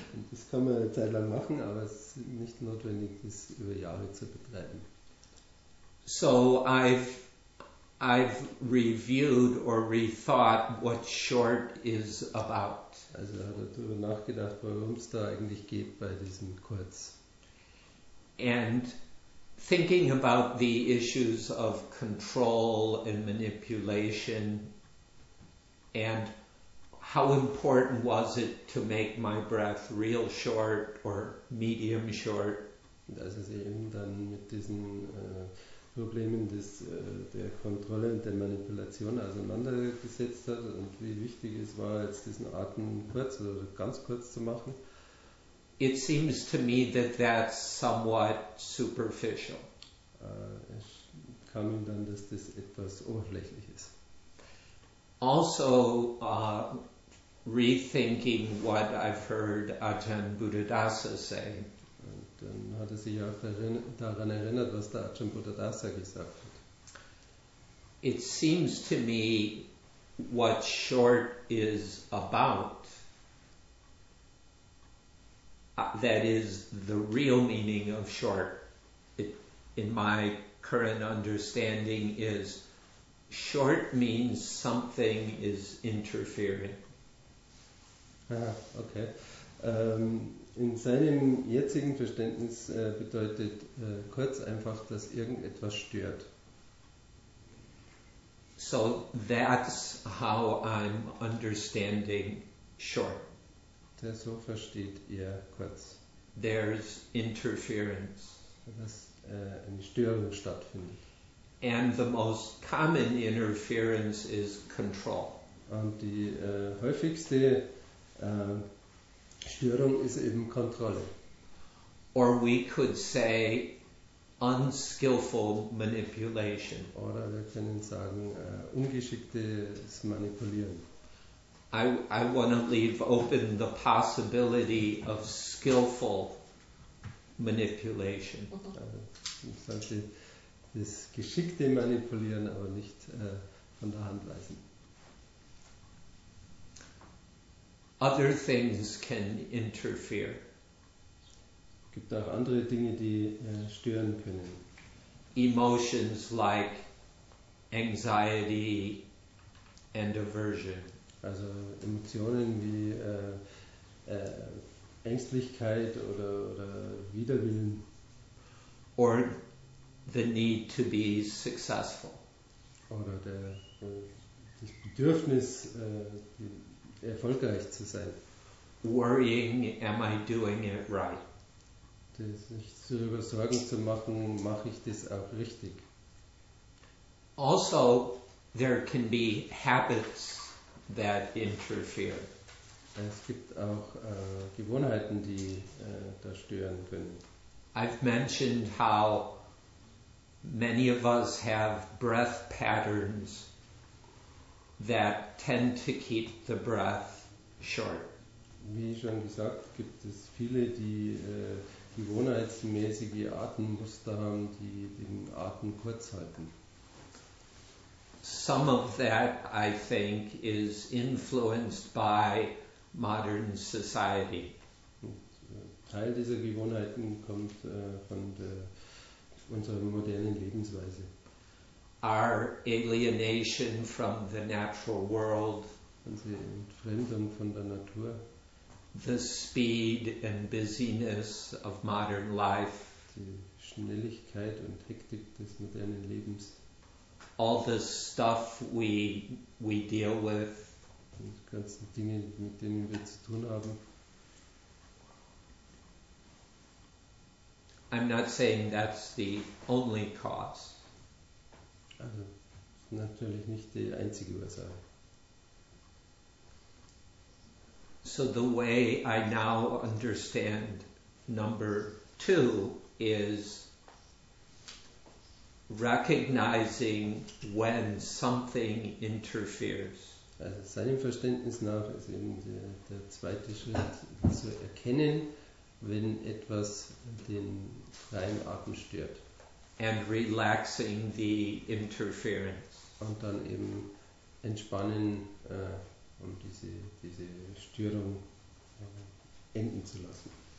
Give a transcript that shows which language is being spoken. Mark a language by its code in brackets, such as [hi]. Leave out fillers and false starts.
[de] Das kann man eine Zeit lang machen, aber es ist nicht notwendig, das über Jahre zu betreiben. [en] So I've reviewed or rethought what short is about. [de] Also hat er darüber nachgedacht, worum es da eigentlich geht bei diesem Kurz. [en] And thinking about the issues of control and manipulation, and how important was it to make my breath real short or medium short? [de] Das ist eben dann mit diesen Problemen des, der Kontrolle und der Manipulation auseinandergesetzt hat und wie wichtig es war, jetzt diesen Atem kurz oder ganz kurz zu machen. [en] It seems to me that that's somewhat superficial. [de] Es kam ihm dann, dass das etwas oberflächlich ist. [en] Also, rethinking what I've heard Ajahn Buddhadasa say. [de] Dann hat er sich auch daran erinnert, was der Ajahn Buddhadasa gesagt hat. [en] It seems to me what short is about, that is the real meaning of short, it, in my current understanding, is short means something is interfering. Okay. [de] In seinem jetzigen Verständnis bedeutet kurz einfach, dass irgendetwas stört. [en] So that's how I'm understanding short. [de] Der so versteht er kurz. [en] There's interference. [de] Dass eine Störung stattfindet. [en] And the most common interference is control. [de] Und die häufigste Störung ist eben Kontrolle. [en] Or we could say unskillful manipulation. [de] Oder wir können sagen ungeschicktes Manipulieren. [en] I want to leave open the possibility of skillful manipulation. [de] Ich sollte das geschickte Manipulieren aber nicht von der Hand weisen. [en] Other things can interfere. [de] Gibt auch andere Dinge, die stören können. [en] emotions like anxiety and aversion. [de] Also Emotionen wie Ängstlichkeit oder Widerwillen. [en] Or the need to be successful. [de] Oder der, das Bedürfnis, erfolgreich zu sein. [en] Worrying, am I doing it right? [de] Sich darüber Sorgen zu machen, mache ich das auch richtig? [en] Also, there can be habits that interfere. [de] Es gibt auch Gewohnheiten, die da stören können. [en] I've mentioned how many of us have breath patterns that tend to keep the breath short. [de] Wie schon gesagt, gibt es viele, die gewohnheitsmäßige Atemmuster haben, die den Atem kurz halten. [en] Some of that, I think, is influenced by modern society. [de] Teil dieser Gewohnheiten kommt von der, unserer modernen Lebensweise. [en] Our alienation from the natural world. [de] Unsere Entfremdung von der Natur. [en] The speed and busyness of modern life. [de] Die Schnelligkeit und Hektik des modernen Lebens. [en] All the stuff we deal with. [de] Die ganzen Dinge, mit denen wir zu tun haben. [en] I'm not saying that's the only cause. [de] Also, natürlich nicht die einzige Ursache. [en] So the way I now understand number two is recognizing when something interferes. [de] Also seinem Verständnis nach ist eben der zweite Schritt zu erkennen, wenn etwas den freien Atem stört. [en] And relaxing the interference. [de] Und dann eben entspannen. Um diese Störung enden zu lassen.